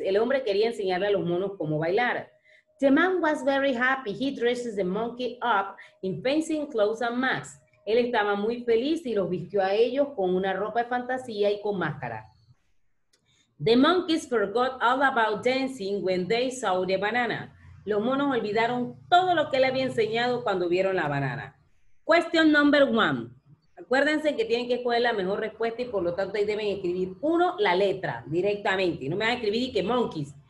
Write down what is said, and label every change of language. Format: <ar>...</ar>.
<es>El hombre quería enseñarle a los monos cómo bailar.</es> <en>The man was very happy. He dresses the monkey up in fancy clothes and masks.</en> <es>Él estaba muy feliz y los vistió a ellos con una ropa de fantasía y con máscara.</es> <en>The monkeys forgot all about dancing when they saw the banana.</en> <es>Los monos olvidaron todo lo que él había enseñado cuando vieron la banana.</es> <en>Question number one.</en> <es>Acuérdense que tienen que escoger la mejor respuesta y por lo tanto ahí deben escribir uno, la letra, directamente. No me van a escribir y que monkeys.</es>